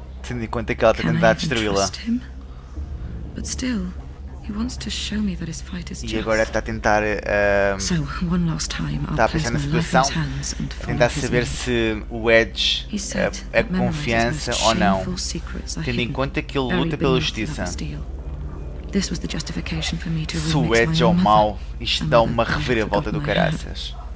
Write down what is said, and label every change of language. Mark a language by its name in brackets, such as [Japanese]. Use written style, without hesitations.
[Portuguese] Tendo em conta que ela está tentando destruí-la. [English] But still, he wants to show me that his fight is just. [Portuguese] E agora está a tentar. [English] So, one last time, I'll place my life in his hands and follow. [Portuguese] Tentar saber se o Edge é confiança ou não. Tendo em conta que ele luta pela justiça. [English] This was the justification for me to [Portuguese] se o Edge é o mal, isto dá uma reviravolta do caraças.